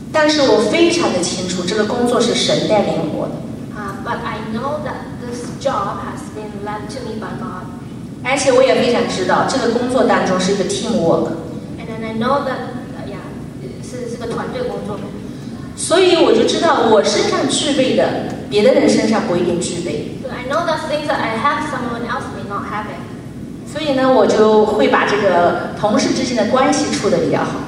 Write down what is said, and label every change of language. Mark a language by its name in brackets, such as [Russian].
[Chinese] 但是我非常的清楚这个工作是神带领我的。 [English] But I know that this job has been led to me by God. [Chinese] 而且我也非常知道这个工作当中是一个 teamwork. [English] And then I know that, yeah, [Chinese] 是个团队工作。所以我就知道我身上具备的，别的人身上不一定具备。 [English] So I know the things that I have, someone else may not have it. [Chinese] 所以呢，我就会把这个同事之间的关系处得比较好。